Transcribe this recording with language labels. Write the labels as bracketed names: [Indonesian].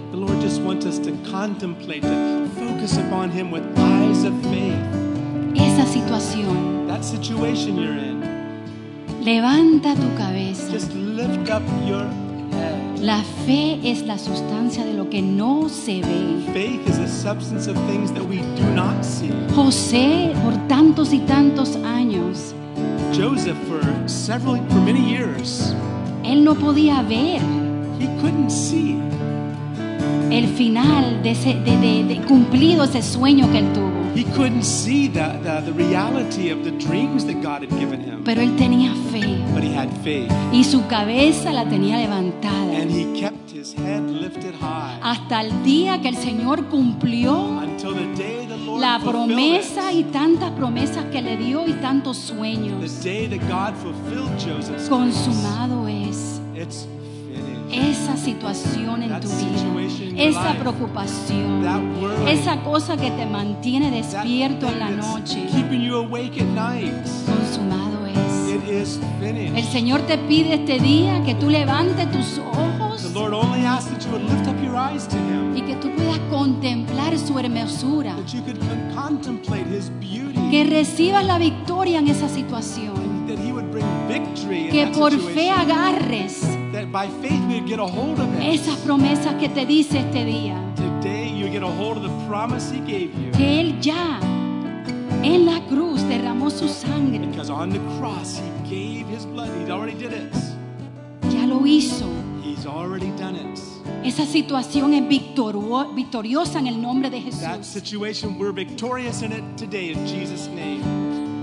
[English] The Lord just wants us to contemplate, to focus upon Him with eyes of faith. [Spanish] Esa situación. [English] That situation you're in. [Spanish] Levanta tu cabeza. [English] Just lift up your head. [Spanish] La fe es la sustancia de lo que no se ve. [English] Faith is the substance of things that we do not see. [Spanish] José, por tantos y tantos años. [English] Joseph, for many years. [Spanish] Él no podía ver. [English] He couldn't see. [Spanish] El final de ese, de cumplido ese sueño que él tuvo. [English] He couldn't see the reality of the dreams that God had given him. [Spanish] Pero él tenía fe. [English] But he had faith. [Spanish] Y su cabeza la tenía levantada. [English] And he kept his head lifted high. [Spanish] Hasta el día que el Señor cumplió la promesa y tantas promesas que le dio y tantos sueños. [English] The day that God fulfilled Joseph's [Spanish] promise. Consumado es. [English] It's finished. [Spanish] Esa situación en tu vida. Esa preocupación, [English] that worry, [Spanish] esa cosa que te mantiene despierto en la noche, [English] keeping you awake at night, [Spanish] consumado es. [English] It is finished. [Spanish] El Señor te pide este día que tú levantes tus ojos y que tú puedas contemplar su hermosura, [English] that you could contemplate his beauty, [Spanish] que recibas la victoria en esa situación, [English] that he would bring victory [Spanish] que [English] in that [Spanish] por [English] situation. [Spanish] Fe agarres. [English] That by faith we would get a hold of it. [Spanish] Esas promesas que te dice este día. [English] Today you get a hold of the promise he gave you. [Spanish] Que él ya en la cruz derramó su sangre. [English] Because on the cross he gave his blood. He already did it. [Spanish] Ya lo hizo. [English] He's already done it. [Spanish] Esa situación es victoriosa en el nombre de Jesús. [English] That situation, we're victorious in it today in Jesus' name.